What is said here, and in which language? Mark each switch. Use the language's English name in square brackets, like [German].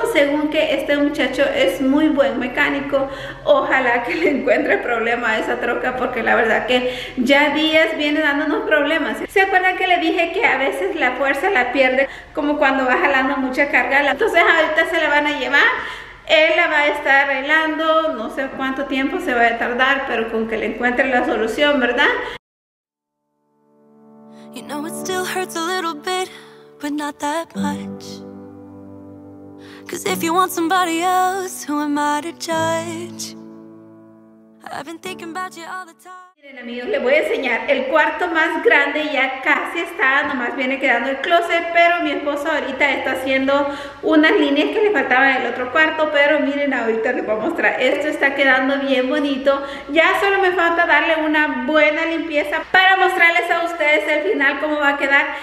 [Spanish] Según que este muchacho es muy buen mecánico, ojalá que le encuentre problema a esa troca, porque la verdad que ya días viene dándonos problemas. ¿Se acuerdan que le dije que a veces la fuerza la pierde como cuando va jalando mucha carga? Entonces ahorita se la van a llevar. Él la va a estar arreglando, no sé cuánto tiempo se va a tardar, pero con que le encuentre la solución, ¿verdad? [English] You know it still hurts a little bit, but not that much. Cause if you want somebody else, who am I to judge? I've been thinking about you all the time. [Spanish] Miren amigos, les voy a enseñar el cuarto más grande, ya casi está, nomás viene quedando el closet, pero mi esposo ahorita está haciendo unas líneas que le faltaban en el otro cuarto, pero miren, ahorita les voy a mostrar, esto está quedando bien bonito, ya solo me falta darle una buena limpieza para mostrarles a ustedes el final cómo va a quedar